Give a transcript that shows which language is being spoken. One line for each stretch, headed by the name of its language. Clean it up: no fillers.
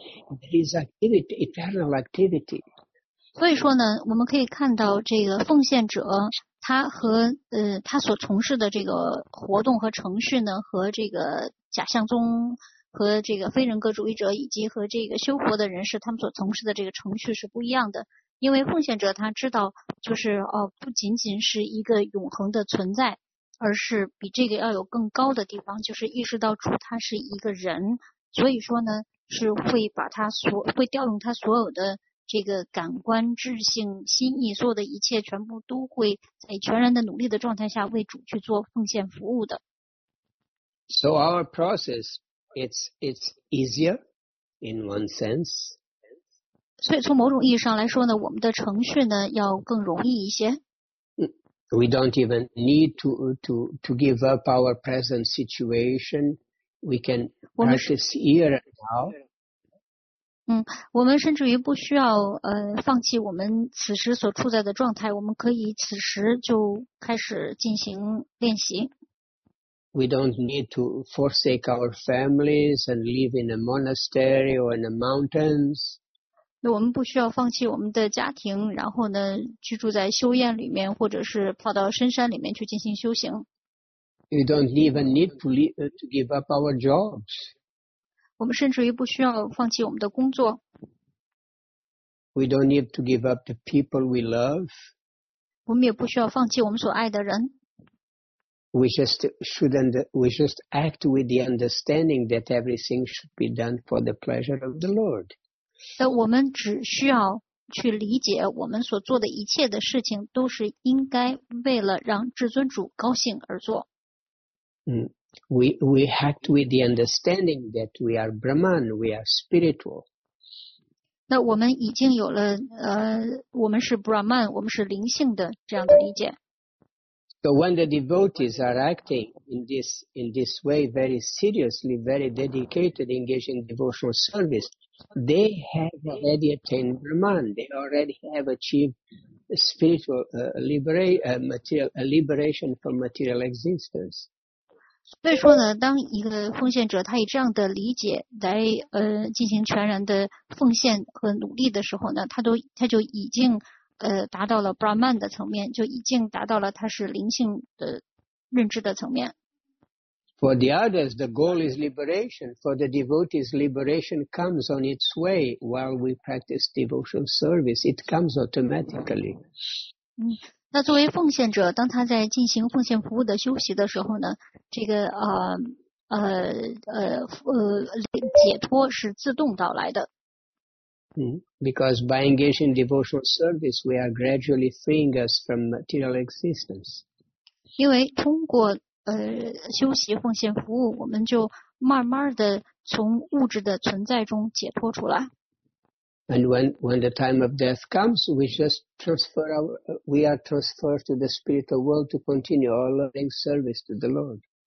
English: It's activity, eternal activity.
Chinese: 所以说呢，我们可以看到这个奉献者，他和他所从事的这个活动和程序呢，和这个假象宗和这个非人格主义者以及和这个修佛的人士，他们所从事的这个程序是不一样的。因为奉献者他知道，就是不仅仅是一个永恒的存在。而是比这个要有更高的地方，就是意识到主他是一个人，所以说呢，是会把他所会调用他所有的这个感官、智性、心意，所有的一切全部都会在全然的努力的状态下为主去做奉献服务的。
English: So our process it's easier in one sense.
Chinese: 所以从某种意义上来说呢，我们的程序呢要更容易一些。
English: We don't even need to give up our present situation. We can practice here and now.
Chinese: 我们甚至于不需要放弃我们此时所处在的状态，我们可以此时就开始进行练习。
English: We don't need to forsake our families and live in a monastery or in the mountains.
Chinese: 我们不需要放弃我们的家庭，然后呢，居住在修院里面，或者是跑到深山里面去进行修行。
English: We don't even need to give up our jobs.
Chinese: 我们甚至于不需要放弃我们的工作。
English: We don't need to give up the people we love.
Chinese: 我们也不需要放弃我们所爱的人。
English: We just act with the understanding that everything should be done for the pleasure of the Lord.
Chinese: 但我们只需要去理解我们所做的一切的事情都是应该为了让至尊主高兴而做。
English: We act with the understanding that we are Brahman, we are spiritual.
Chinese: 那我们已经有了我们是 Brahman, 我们是灵性的这样的理解。
English: So when the devotees are acting in this way very seriously, very dedicated, engaged in devotional service,They have already attained Brahman. They already have achieved spiritual liberation from material existence.
Chinese: 所以说呢，当一个奉献者他以这样的理解来进行全然的奉献和努力的时候呢，他就已经达到了 Brahman 的层面，就已经达到了他是灵性的认知的层面。
English: For the others, the goal is liberation. For the devotees, liberation comes on its way while we practice devotional service. It comes automatically.
Chinese: 那作为奉献者，当他在进行奉献服务的修习的时候呢，这个解脱是自动到来的。
English: Because by engaging devotional service, we are gradually freeing us from material existence.
Chinese: 因为通过修习奉献服务，我们就慢慢的从物质的存在中解脱出来。
English: And when the time of death comes, we just transfer our, we are transferred to the spiritual world to continue our loving service to the Lord.